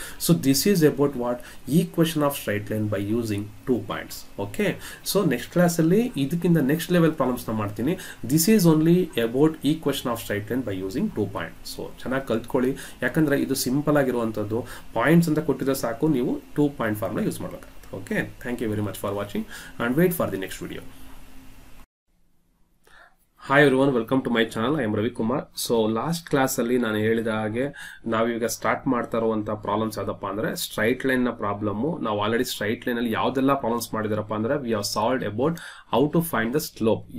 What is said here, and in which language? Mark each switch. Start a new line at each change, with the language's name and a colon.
English: So this is about what equation of straight line by using 2 points.
Kannada: Okay, so next ಕ್ಲಾಸಲ್ಲಿ ಇದಕ್ಕಿಂತ next level ಪ್ರಾಬ್ಲಮ್ಸ್ನ ಮಾಡ್ತೀನಿ.
English: This is only about equation of straight line by using 2 point.
Kannada: So ಚೆನ್ನಾಗಿ ಕಲ್ತ್ಕೊಳ್ಳಿ, ಯಾಕಂದರೆ ಇದು simple ಆಗಿರುವಂಥದ್ದು. Points ಅಂತ ಕೊಟ್ಟಿದ್ದ ಸಾಕು, ನೀವು 2 ಪಾಯಿಂಟ್ ಫಾರ್ಮ್ನ ಯೂಸ್ ಮಾಡಬೇಕು.
English: Okay, thank you very much for watching and wait for the next video. Hi everyone, welcome to my channel, I am Ravikumar.
Kannada: So last ಕ್ಲಾಸಲ್ಲಿ ನಾನು ಹೇಳಿದ ಹಾಗೆ ನಾವೀಗ ಸ್ಟಾರ್ಟ್ ಮಾಡ್ತಾ ಇರುವಂಥ ಪ್ರಾಬ್ಲಮ್ಸ್ ಯಾವುದಪ್ಪ ಅಂದರೆ, ಸ್ಟ್ರೈಟ್ ಲೈನ್ನ ಪ್ರಾಬ್ಲಮ್ಮು. ನಾವು ಆಲ್ರೆಡಿ ಸ್ಟ್ರೈಟ್ ಲೈನಲ್ಲಿ ಯಾವುದೆಲ್ಲ ಪ್ರಾಬ್ಲಮ್ಸ್ ಮಾಡಿದಾರಪ್ಪ ಅಂದರೆ,
English: We have solved about how to find the slope.